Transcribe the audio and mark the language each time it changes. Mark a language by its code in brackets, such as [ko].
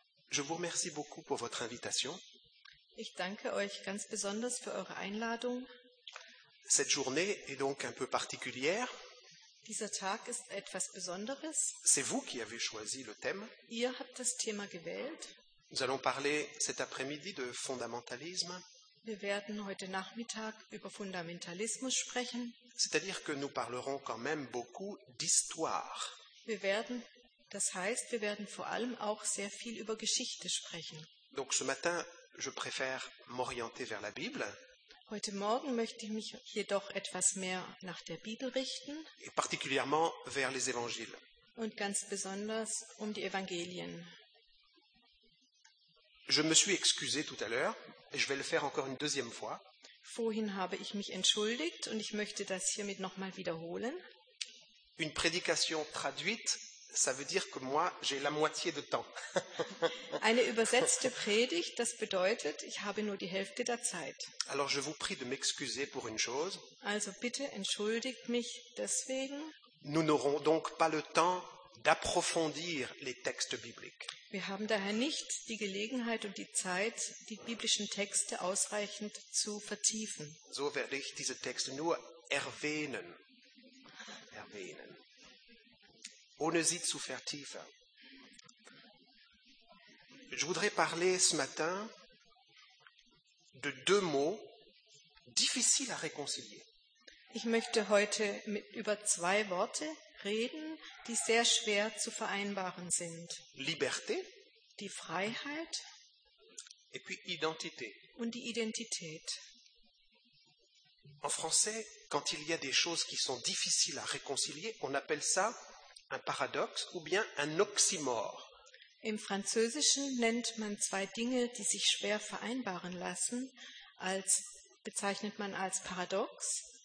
[fr] Je vous remercie beaucoup pour votre invitation. [de] Ich danke euch ganz besonders für eure Einladung. [fr] Cette journée est donc un peu particulière. [de] Dieser Tag ist etwas Besonderes. [fr] C'est vous qui avez choisi le thème. [de] Ihr habt das Thema gewählt. [fr] Nous allons parler cet après-midi de fondamentalisme. [de] Wir werden heute Nachmittag über Fundamentalismus sprechen. [fr] C'est-à-dire que nous parlerons quand même beaucoup d'histoire. [de] Wir werden vor allem auch sehr viel über Geschichte sprechen. [fr] Donc ce matin, je préfère m'orienter vers la Bible. [de] Heute Morgen möchte ich mich jedoch etwas mehr nach der Bibel richten. [fr] Et particulièrement vers les évangiles. [de] Und ganz besonders um die Evangelien. [fr] Je me suis excusé tout à l'heure. Et je vais le faire encore une deuxième fois. [de] Vorhin habe ich mich entschuldigt und ich möchte das hiermit nochmal wiederholen. [fr] Une prédication traduite, ça veut dire que moi, j'ai la moitié de temps. [de] Eine übersetzte Predigt, das bedeutet, ich habe nur die Hälfte der Zeit. [fr] Alors je vous prie de m'excuser pour une chose. [de] Also bitte entschuldigt mich deswegen. [fr] Nous n'aurons donc pas le temps d'approfondir les textes bibliques. [de] Wir haben daher nicht die Gelegenheit und die Zeit, die biblischen Texte ausreichend zu vertiefen. So werde ich diese Texte nur erwähnen, ohne sie zu vertiefen. [fr] Je voudrais parler ce matin de deux mots difficiles à réconcilier. [de] Ich möchte heute über zwei Worte reden, die sehr schwer zu vereinbaren sind. [fr] Liberté. [de] Die Freiheit. [fr] Et puis Identité. [de] Und die Identität. [fr] En français, quand il y a des choses qui sont difficiles à réconcilier, on appelle ça un paradoxe ou bien un oxymore. [de] Im Französischen nennt man zwei Dinge, die sich schwer vereinbaren lassen, bezeichnet man als Paradox.